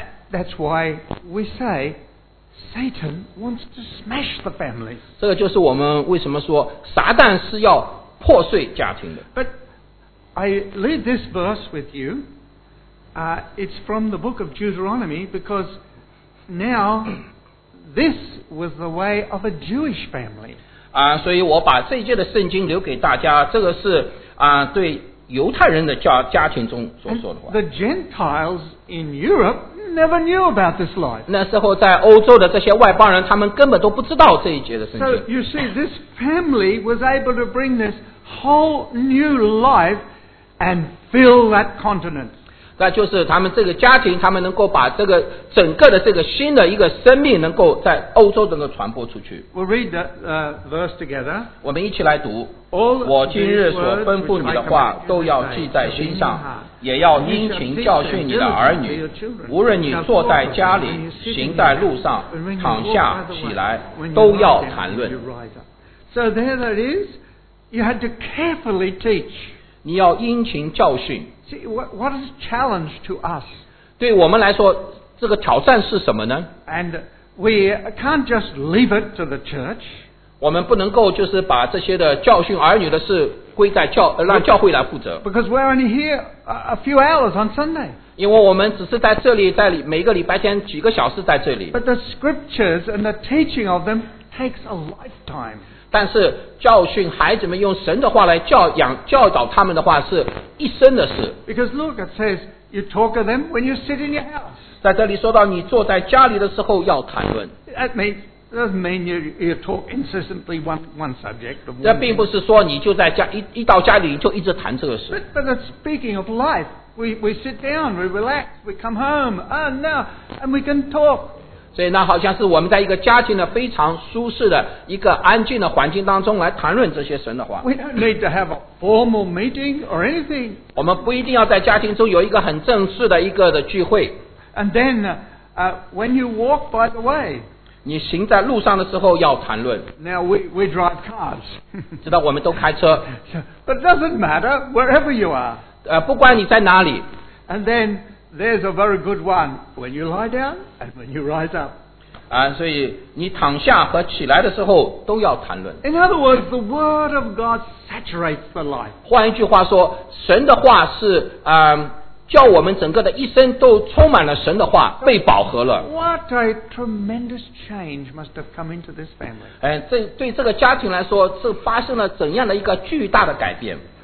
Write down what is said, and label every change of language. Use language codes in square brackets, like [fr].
[en] That's why we say Satan wants to smash the family. [zh] 这个就是我们为什么说撒旦是要破碎家庭的。 [en] But I read this verse with you. It's from the book of Deuteronomy because now this was the way of a Jewish family. [zh] 所以我把这一节的圣经留给大家，这个是对犹太人的家庭中所说的话。 [en] And、the Gentiles in Europe never knew about this life. [zh] 那时候在欧洲的这些外邦人，他们根本都不知道这一节的圣经。 [en] So you see, this family was able to bring this whole new life and fill that continent. [zh] 那就是他们这个家庭，他们能够把这个整个的这个新的一个生命，能够在欧洲能够传播出去。 [en] We'll read the verse together. [zh] 我们一起来读。 [en] All [zh] 我今日所吩咐你的话都要记在心上，也要殷勤教训你的儿女，无论你坐在家里，行在路上，躺下起来，都要谈论。 [en] So there that is, you had to carefully teach. [zh] 你要殷勤教训。 [en] See, what is challenge to us? [zh] 对我们来说，这个挑战是什么呢？ [en] And we can't just leave it to the church. [zh] 我们不能够就是把这些的教训儿女的事归在让教会来负责。 [en] Because we're only here a few hours on Sunday. [zh] 因为我们只是在这里，在每个礼拜天几个小时在这里。 [en] But the scriptures and the teaching of them takes a lifetime. [zh] 但是教训孩子们用神的话来教导他们的话是一生的事。 [en] Because look, it says you talk of them when you sit in your house. [zh] 在这里说到你坐在家里的时候要谈论。 [en] That doesn't mean you talk incessantly one subject. [zh] 这并不是说你就在家一到家里就一直谈这个事。 [en] But it's speaking of life. We sit down, we relax, we come home, and now, and we can talk. [zh] 所以那好像是我们在一个家庭的非常舒适的一个安静的环境当中来谈论这些神的话。 [en] We don't need to have a formal meeting or anything. [zh] 我们不一定要在家庭中有一个很正式的一个的聚会。 [en] And then, when you walk by the way, [zh] 你行在路上的时候要谈论。 [en] Now we drive cars. [zh] 知道我们都开车。 [en] But it doesn't matter wherever you are. [zh] 不管你在哪里。 [en] And then,There's a very good one when you lie down and when you rise up. [zh] 所以你躺下和起来的时候都要谈论。 [en] In other words, the word of God saturates the life. [zh] 换一句话说，神的话是叫我们整个的一生都充满了神的话，被饱和了。 [en] What a tremendous change must have come into this family. [zh] 对这个家庭来说，是发生了怎样的一个巨大的改变？